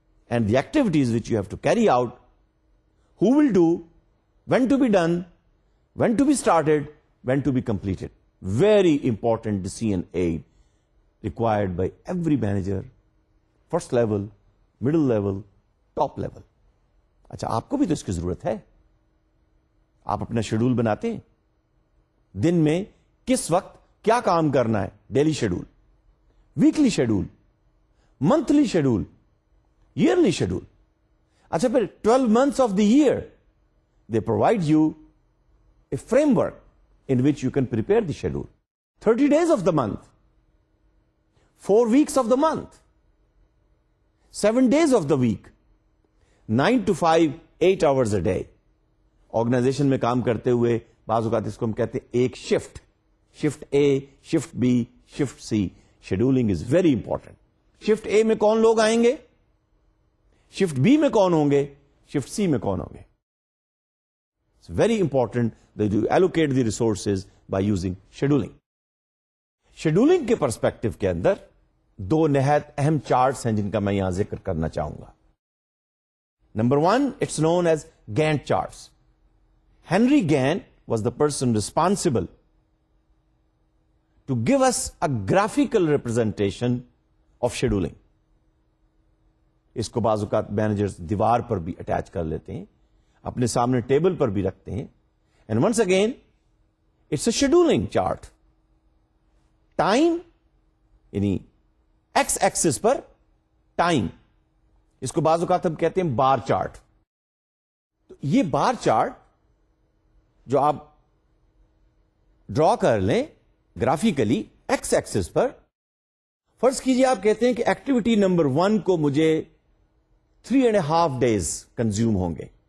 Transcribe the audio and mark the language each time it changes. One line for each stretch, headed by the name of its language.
English: and the activities which you have to carry out, who will do, when to be done, when to be started, when to be completed. Very important decision aid required by every manager, first level, middle level, top level.
Urdu: اچھا آپ کو بھی تو اس کی ضرورت ہے. آپ اپنا شیڈول بناتے ہیں دن میں کس وقت کیا کام کرنا ہے, daily schedule, weekly schedule, monthly schedule, yearly schedule.
English: اچھا پھر 12 months of the year they provide you a framework in which you can prepare the schedule. 30 days of the month, 4 weeks of the month, 7 days of the week, 9 to 5, 8 hours a day.
Urdu: Organization میں کام کرتے ہوئے بعض اوقات اس کو ہم کہتے ہیں ایک shift, shift a, shift be, shift C.
English: Scheduling is very important.
Urdu: Shift اے میں کون لوگ آئیں گے, شفٹ بی میں کون ہوں گے, شفٹ سی میں کون ہوں گے.
English: It's very important that you allocate the resources by using scheduling.
Urdu: Scheduling کے پرسپیکٹو کے اندر دو نہایت اہم چارٹس ہیں جن کا میں یہاں ذکر کرنا چاہوں گا.
English: Number one, it's known as Gantt charts. Henry Gantt was the person responsible to give us a graphical representation of scheduling.
Urdu: اس کو بعض اوقات مینیجرز دیوار پر بھی اٹیچ کر لیتے ہیں, اپنے سامنے ٹیبل پر بھی رکھتے ہیں.
English: And once again it's a scheduling chart.
Urdu: Time, یعنی ایکس ایکسس پر ٹائم, اس کو بعض اوقات ہم کہتے ہیں بار چارٹ. تو یہ بار چارٹ جو آپ ڈرا کر لیں گرافیکلی ایکس ایکسس پر, فرض کیجئے آپ کہتے ہیں کہ ایکٹیویٹی نمبر ون کو مجھے 3.5 ڈیز کنزیوم ہوں گے.